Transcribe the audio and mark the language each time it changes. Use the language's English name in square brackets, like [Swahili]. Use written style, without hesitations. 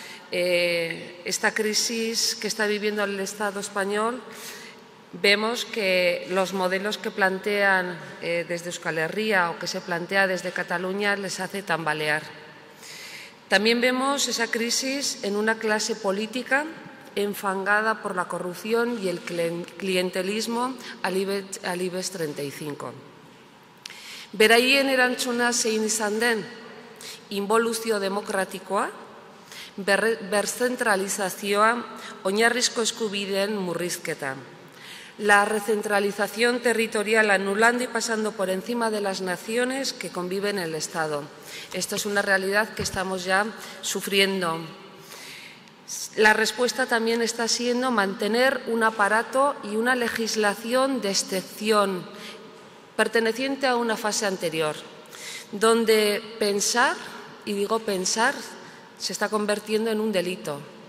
[Spanish] Esta crisis que está viviendo el Estado español, vemos que los modelos que plantean desde Euskal Herria o que se plantea desde Cataluña les hace tambalear. También vemos esa crisis en una clase política enfangada por la corrupción y el clientelismo al IBEX 35. [Basque] Beraien erantzuna zein izan den, involuzio demokratikoa, berzentralizazioa, oinarrizko eskubideen murrizketa. [Spanish] La recentralización territorial anulando y pasando por encima de las naciones que conviven en el Estado. Esto es una realidad que estamos ya sufriendo. La respuesta también está siendo mantener un aparato y una legislación de excepción perteneciente a una fase anterior, donde pensar, y digo pensar, se está convirtiendo en un delito.